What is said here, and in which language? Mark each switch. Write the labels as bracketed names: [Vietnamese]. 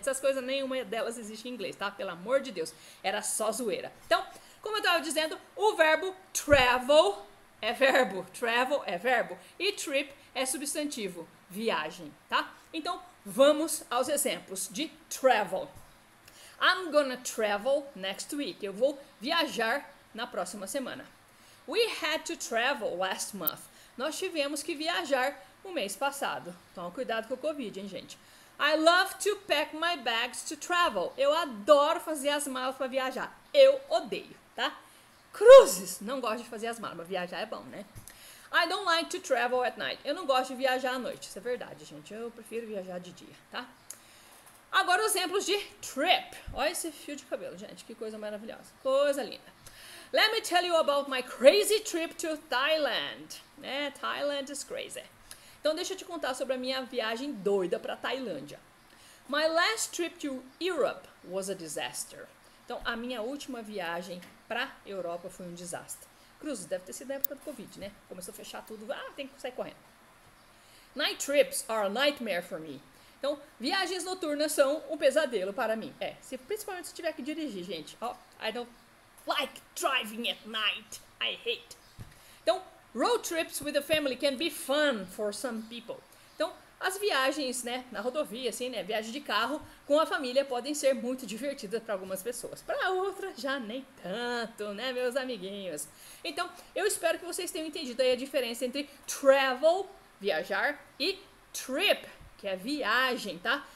[Portuguese] Essas coisas, nenhuma delas existe em inglês, tá? Pelo amor de Deus. Era só zoeira. Então, como eu tava dizendo, o verbo travel é verbo. Travel é verbo. E trip é substantivo. Viagem, tá? Então, vamos aos exemplos de travel. [English] I'm gonna travel next week. [Portuguese] Eu vou viajar na próxima semana. [English] We had to travel last month. [Portuguese] Nós tivemos que viajar o mês passado. Então, cuidado com o Covid, hein, gente? [English] I love to pack my bags to travel. [Portuguese] Eu adoro fazer as malas para viajar. Eu odeio, tá? Cruzes! Não gosto de fazer as malas, mas viajar é bom, né? [English] I don't like to travel at night. [Portuguese] Eu não gosto de viajar à noite. Isso é verdade, gente. Eu prefiro viajar de dia, tá? Agora, exemplos de trip. Olha esse fio de cabelo, gente. Que coisa maravilhosa. Coisa linda. [English] Let me tell you about my crazy trip to Thailand. Né? Thailand is crazy. [Portuguese] Então, deixa eu te contar sobre a minha viagem doida para Tailândia. [English] My last trip to Europe was a disaster. [Portuguese] Então, a minha última viagem para Europa foi um desastre. Cruz, deve ter sido na época do Covid, né? Começou a fechar tudo. Ah, tem que sair correndo. [English] Night trips are a nightmare for me. [Portuguese] Então, viagens noturnas são um pesadelo para mim. É, se, principalmente se tiver que dirigir, gente. [English] Oh, I don't like driving at night. I hate. Então, road trips with the family can be fun for some people. [Portuguese] Então, as viagens, né, na rodovia, assim, né, viagem de carro com a família podem ser muito divertidas para algumas pessoas. Para outras, já nem tanto, né, meus amiguinhos? Então, eu espero que vocês tenham entendido aí a diferença entre travel, viajar, e trip, que é viagem, tá?